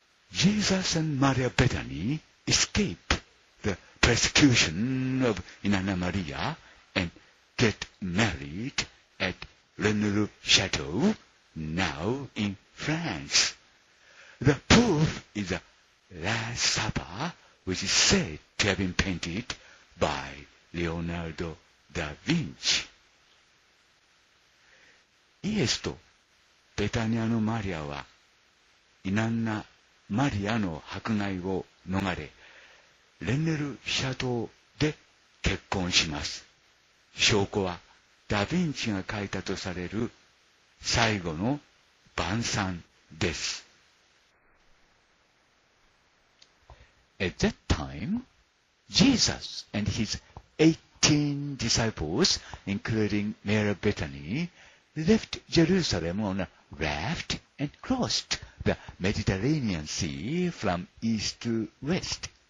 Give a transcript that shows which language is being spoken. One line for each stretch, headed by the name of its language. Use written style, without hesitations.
English: Jesus and Maria Bethany escape the persecution of Inanna Maria and get married at Renelu Chateau, now in France. The proof is the Last Supper, which is said to have been paintedby Leonardo da Vinci。
Japanese: イエスとベタニアのマリアはイナンナ・マリアの迫害を逃れ、レンネル・シャトーで結婚します。証拠はダ・ヴィンチが書いたとされる最後の晩餐です。
English: At that timeJesus and his 18 disciples, including Mary Bethany, left Jerusalem on a raft and crossed the Mediterranean Sea from east to west.